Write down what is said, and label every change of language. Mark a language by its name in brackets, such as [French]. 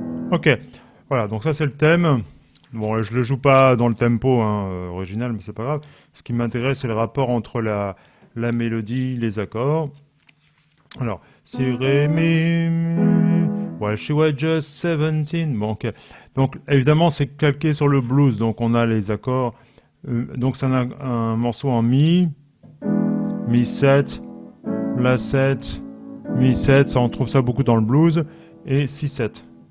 [French] Ok, voilà, donc ça c'est le thème. Bon, je ne le joue pas dans le tempo hein, original, mais c'est pas grave. Ce qui m'intéresse, c'est le rapport entre la mélodie, les accords. Alors, si ré mi, [English] well, she was just 17. [French] Bon, ok. Donc, évidemment, c'est calqué sur le blues, donc on a les accords. Donc, c'est un morceau en mi 7, la 7, mi 7, ça on trouve ça beaucoup dans le blues, et si 7.